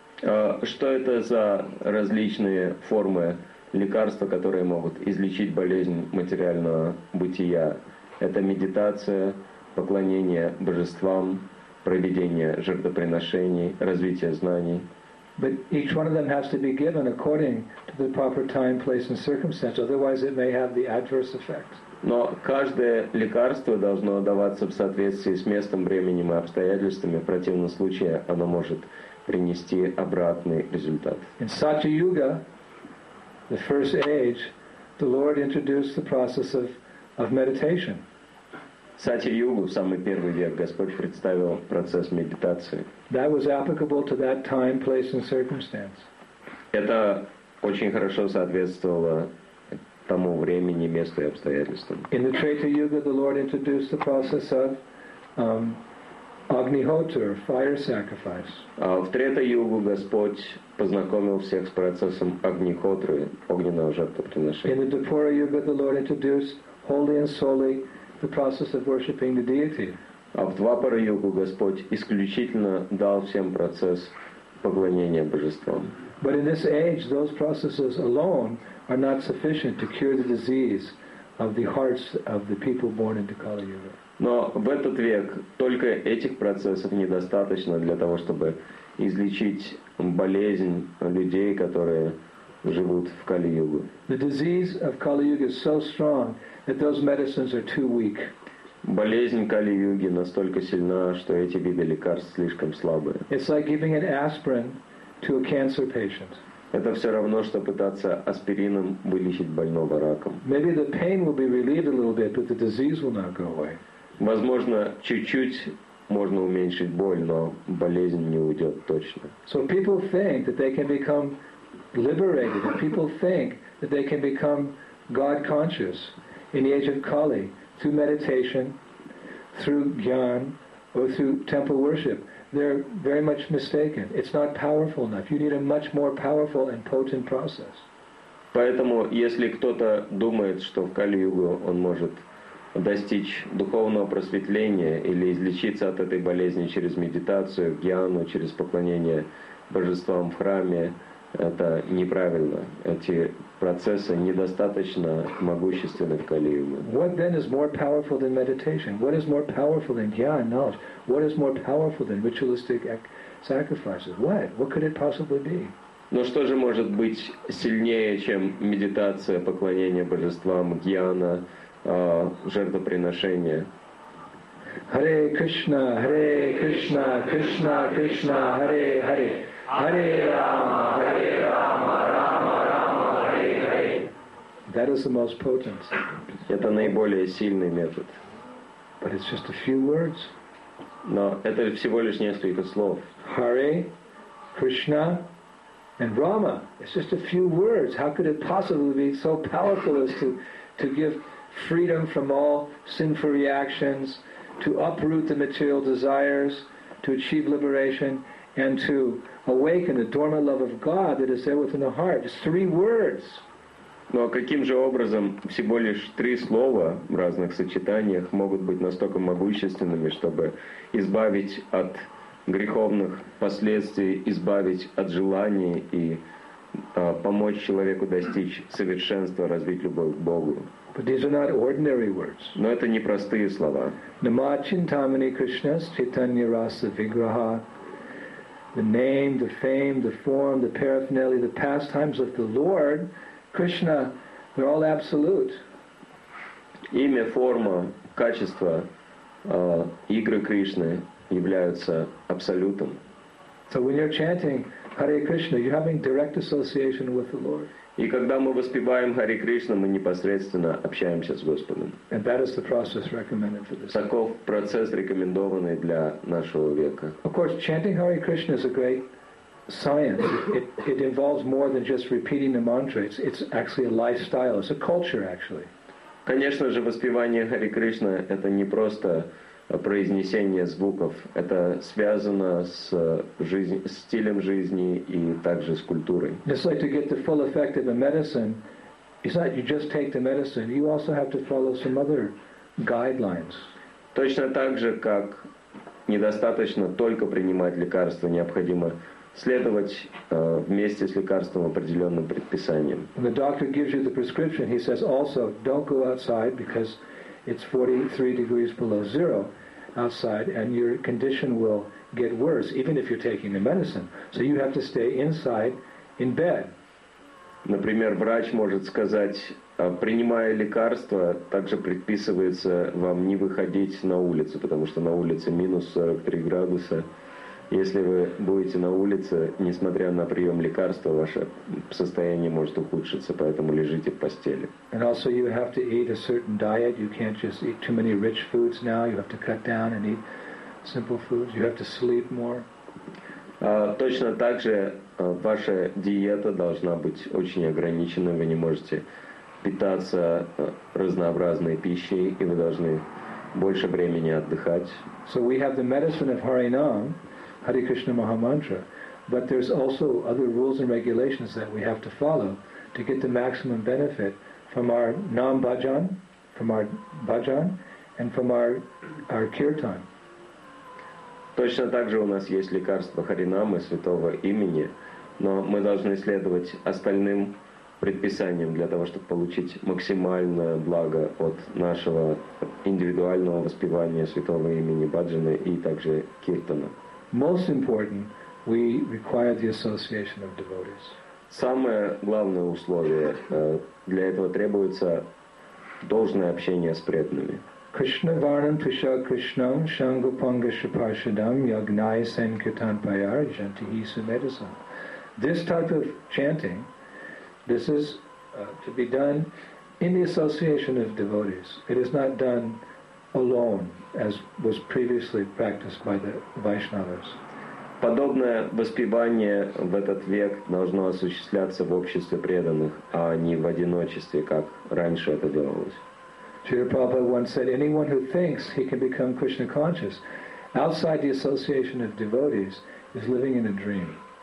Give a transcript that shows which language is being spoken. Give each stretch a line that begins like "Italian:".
Russian: Что это за различные формы лекарства, которые могут излечить болезнь материального бытия? Это медитация, поклонение божествам, проведение жертвоприношений, развитие знаний.
English: But each one of them has to be given according to the proper time, place, and circumstance. Otherwise, it may have the adverse effect.
Russian: Но каждое лекарство должно даваться в соответствии с местом, временем и обстоятельствами. В противном случае оно может принести обратный результат.
English: In Satya Yuga, the first age, the Lord introduced the process of meditation.
Russian: Satya Yuga, самый первый век, Господь представил процесс медитации.
English: That was applicable to that time, place, and circumstance.
Russian: Это очень хорошо соответствовало тому времени, месту и обстоятельствам.
English: In the Treta Yuga, the Lord introduced the process of Agnihotra, fire sacrifice.
Russian: В Трета-югу Господь познакомил всех с процессом Агнихотры, огненного жертвоприношения.
English: In the Дапура-юга the Lord introduced wholly and solely the process of worshiping the deity.
Russian: А в Двапара-югу Господь исключительно дал всем процесс поклонения божествам.
English: But in this age, those processes alone are not sufficient to cure the disease of the hearts of the people born into Kali Yuga.
Russian: Но в этот век только этих процессов недостаточно для того, чтобы излечить болезнь людей, которые живут в Кали-Югу.
English: The disease of Kali-Yuga is so strong that those medicines are too weak.
Russian: Болезнь Кали-Юги настолько сильна, что эти виды лекарств слишком слабые.
English: It's like giving an aspirin to a cancer patient.
Russian: Это все равно, что пытаться аспирином вылечить больного раком.
English: Maybe the pain will be relieved a little bit, but the disease will not go away.
Russian: Возможно, чуть-чуть можно уменьшить боль, но болезнь не уйдет точно.
English: So people think that they can become liberated. People think that they can become God-conscious in the age of Kali through meditation, through jnana, or through temple worship. They're very much mistaken. It's not powerful enough. You need a much more powerful and potent process.
Russian: Поэтому, если кто-то думает, что в Кали-Югу он может достичь духовного просветления или излечиться от этой болезни через медитацию, гьяну, через поклонение божествам в храме, это неправильно. Эти процессы недостаточно могущественны в Кали-Юге.
English: What then is more powerful than meditation? What is more powerful than gyan, knowledge? What is more powerful than ritualistic sacrifices? What? What could it possibly be?
Russian: Но что же может быть сильнее, чем медитация, поклонение божествам, гьяна, жертвоприношение?
Sanskrit: Hare Krishna, Hare Krishna, Krishna Krishna, Hare Hare, Hare Rama, Hare Rama, Rama Rama, Hare Hare.
English: That is the most potent.
Russian: Это наиболее сильный метод.
English: But it's just a few words.
Russian: Но это всего лишь несколько слов.
English: Hare Krishna and Rama. It's just a few words. How could it possibly be so powerful as to give freedom from all sinful reactions, to uproot the material desires, to achieve liberation, and to awaken the dormant love of God that is there within the heart. Just three words.
Russian: Но каким же образом всего лишь три слова в разных сочетаниях могут быть настолько могущественными, чтобы избавить от греховных последствий, избавить от желаний и помочь человеку достичь совершенства, развить любовь к Богу?
English: But these are not ordinary words.
Russian: Но это не простые слова.
Sanskrit: Нама Чинтамани Кришна Читанья Раса Виграха.
English: The name, the fame, the form, the paraphernalia, the pastimes of the Lord Krishna, they're all absolute.
Russian: Имя, форма, качество, игры Кришны являются абсолютом.
English: So when you're chanting Hare Krishna, you're having direct association with the Lord.
Russian: И когда мы воспеваем Хари Кришна, мы непосредственно общаемся с Господом.
English: And that is the process recommended for this.
Russian: Таков процесс, рекомендованный для нашего века.
English: Of course, chanting Hare Krishna is a great science. It involves more than just repeating the mantra. It's actually a lifestyle. It's a culture, actually.
Russian: Конечно же, воспевание Хари Кришна это не просто произнесение звуков. Это связано с жизнь, стилем жизни и также с культурой.
English: It's like to get the full effect of the medicine. It's not you just take the medicine. You also have to follow some other guidelines.
Russian: Точно так же, как недостаточно только принимать лекарства, необходимо следовать вместе с лекарством определенным предписаниям.
English: When the doctor gives you the prescription, he says also, don't go outside because it's 43 degrees below zero outside and your condition will get worse even if you're taking the medicine. So you have to stay inside in bed.
Russian: Например, врач может сказать, принимая лекарства, также предписывается вам не выходить на улицу, потому что на улице минус 43 градуса. Если вы будете на улице, несмотря на прием лекарства, ваше состояние может ухудшиться, поэтому лежите в постели.
English: And also you have to eat a certain diet. You can't just eat too many rich foods now. You have to cut down and eat simple foods. You have to sleep more.
Russian: Точно так же ваша диета должна быть очень ограниченной. Вы не можете питаться разнообразной пищей, и вы должны больше времени отдыхать.
English: So we have the medicine of Harinam, Hare Krishna Mahamantra, but there's also other rules and regulations that we have to follow to get the maximum benefit from our Nam Bhajan, from our Bhajan, and from our Kirtan.
Russian: Точно так же у нас есть лекарства Харинамы, Святого Имени, но мы должны следовать остальным предписаниям для того, чтобы получить максимальное благо от нашего индивидуального воспевания Святого Имени Бхаджаны и также Киртана.
English: Most important, we require the association of devotees.
Russian: Самое главное условие для этого требуется должное общение с преданными.
Sanskrit: Krishna varnam tusha krishnam shangupanga shaparshadam yagnai sankirtan payar jantihi sumedasam.
English: This type of chanting, this is to be done in the association of devotees. It is not done alone, as was previously practiced by the Vaishnavas.
Russian: Подобное воспевание в этот век должно осуществляться в обществе преданных, а не в одиночестве, как раньше это делалось.
English: Srila Prabhupada once said, anyone who thinks he can become Krishna conscious outside the association of devotees is living in a dream.